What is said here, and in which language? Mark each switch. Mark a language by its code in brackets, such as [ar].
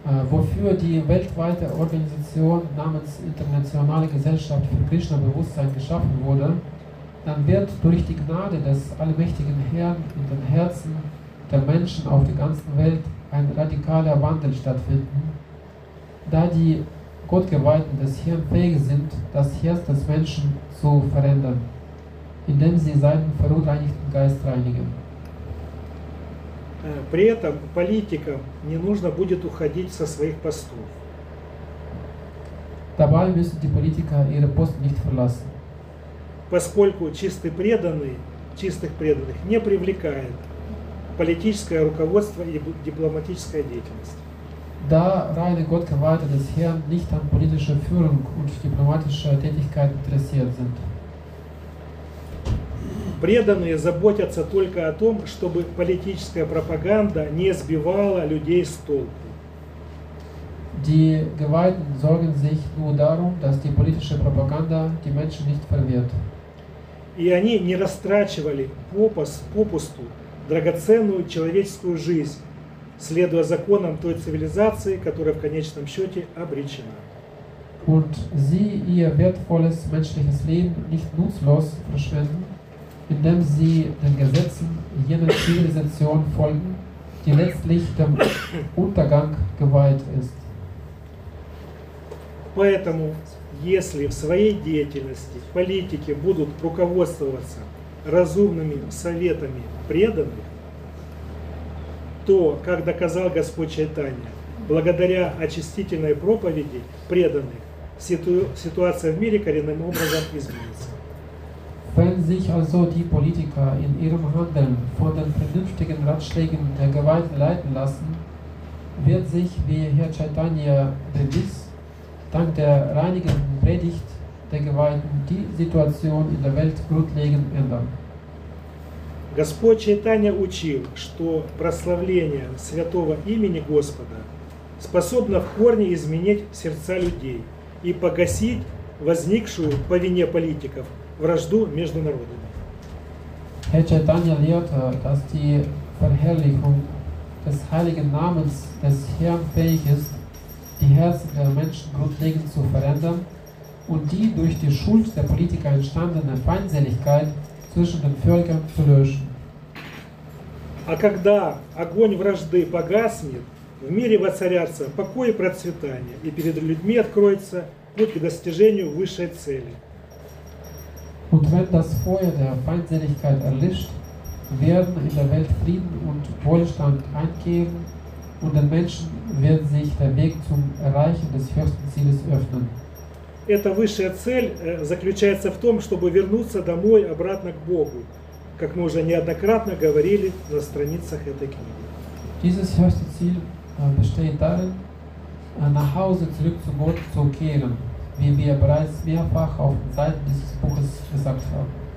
[de] wofür die weltweite Organisation namens Internationale Gesellschaft für Krishna-Bewusstsein geschaffen wurde, dann wird durch die Gnade des allmächtigen Herrn in den Herzen der Menschen auf der ganzen Welt ein radikaler Wandel stattfinden, da die Gottgeweihten des Herrn fähig sind, das Herz des Menschen zu verändern, indem sie seinen verunreinigten Geist reinigen. [ru] При этом политикам не нужно будет уходить со своих постов. [de] Dabei müssen die Politiker ihre Posten nicht verlassen. [ru] Поскольку чистый преданный чистых преданных не привлекает политическое руководство и дипломатическая деятельность. [de] Да, reine Gottgeweihte des Herrn nicht an politische Führung und diplomatische Tätigkeit interessiert sind. [ru] Преданные заботятся только о том, чтобы политическая пропаганда не сбивала людей с толку. [de] Die Geweihten sorgen sich nur darum, dass die politische Propaganda die Menschen nicht verwirrt. [ru] И они не растрачивали попусту драгоценную человеческую жизнь, следуя законам той цивилизации, которая в конечном счете обречена. [de] Und sie ihr wertvolles menschliches Leben nicht nutzlos verschwenden, indem sie den Gesetzen jener Zivilisation folgen, die letztlich dem Untergang geweiht ist. [ru] Поэтому, если в своей деятельности политики будут руководствоваться разумными советами преданных, то, как доказал Господь Чайтанья, благодаря очистительной проповеди преданных, ситуация в мире коренным образом изменится. [de] Wenn sich also die Politiker in ihrem Handeln von den vernünftigen Ratschlägen der Geweihten leiten lassen, wird sich, wie Herr Chaitanya bewies, dank der reinigenden Predigt der Geweihten die Situation in der Welt grundlegend ändern. [ru] Господь Чайтанья учил, что прославление святого имени Господа способно в корне изменить сердца людей и погасить возникшую по вине политиков вражду между народами. [de] Herr Chaitanya lehrte, dass die Verherrlichung des heiligen Namens des Herrn fähig ist, die Herzen der Menschen grundlegend zu verändern und die durch die Schuld der Politiker entstandene Feindseligkeit zwischen den Völkern zu löschen. [ru] А когда огонь вражды погаснет, в мире воцарятся покой и процветание, и перед людьми откроется путь к достижению высшей цели. [de] Und wenn das Feuer der Feindseligkeit erlischt, werden in der Welt Frieden und Wohlstand einkehren und den Menschen wird sich der Weg zum Erreichen des höchsten Zieles öffnen. [ru] Эта высшая цель заключается в том, чтобы вернуться домой, обратно к Богу, как мы уже неоднократно говорили на страницах этой книги. [de] Dieses höchste Ziel besteht darin, nach Hause zurück zu Gott zu kehren. Wie wir bereits mehrfach auf den Seiten dieses Buches gesagt haben.